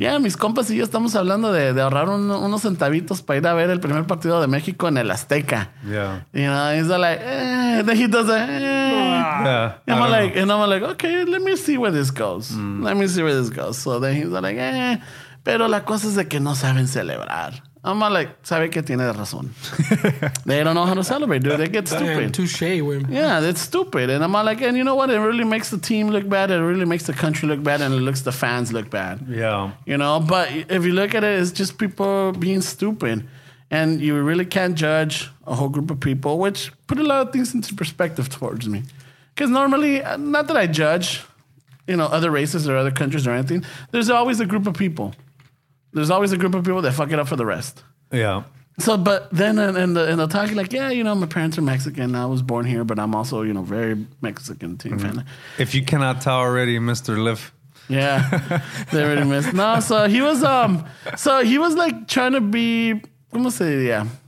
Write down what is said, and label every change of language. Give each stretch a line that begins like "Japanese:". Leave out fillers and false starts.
Spanish: Yeah, mis compas y yo estamos hablando de ahorrar unos centavitos para ir a ver el primer partido de México en el Azteca.
English: Yeah. You know, he's like, then he does that. Yeah. And I'm like, okay, let me see where this goes. Mm. Let me see where this goes. So then he's like,
Spanish: pero la cosa es de que no saben celebrar.
English: I'm like,
Spanish: sabe que tiene razón.
English: They don't know how to celebrate, dude. They get stupid. Damn, touché, wey. Yeah, it's stupid. And I'm like, and you know what? It really makes the team look bad. It really makes the country look bad. And it looks the fans look bad. Yeah. You know, but if you look at it, it's just people being stupid. And you really can't judge a whole group of people, which put a lot of things into perspective towards me. Because normally, not that I judge, you know, other races or other countries or anything. There's always a group of people. There's always a group of people that fuck it up for the rest. Yeah. So, but then in the talk, like, yeah, you know, my parents are Mexican. I was born here, but I'm also, you know, very Mexican team fan. If you cannot tell already, Mr. Liv. Yeah. They already missed. No, so he was, like trying to be,
Spanish: ¿cómo se diría?